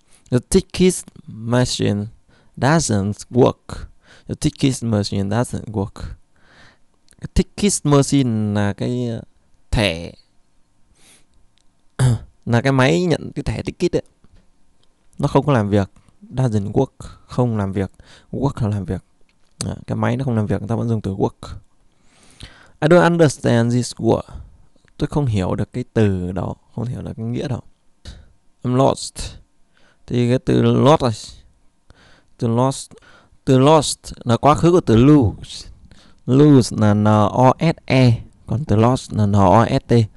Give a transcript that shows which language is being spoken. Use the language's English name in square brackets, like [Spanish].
[English] The ticket machine doesn't work. The ticket machine doesn't work. [Vietnamese] Ticket machine là cái thẻ, là cái máy nhận cái thẻ ticket ấy, nó không có làm việc. [English] Doesn't work, [Vietnamese] không làm việc. Work là làm việc. À, cái máy nó không làm việc, người ta vẫn dùng từ work. [English] I don't understand this word. [Vietnamese] Tôi không hiểu được cái từ đó, không hiểu được cái nghĩa đâu. [English] I'm lost. [Vietnamese] Thì cái từ lost, từ lost là quá khứ của từ lose. Lose là lose, còn từ lost là lost.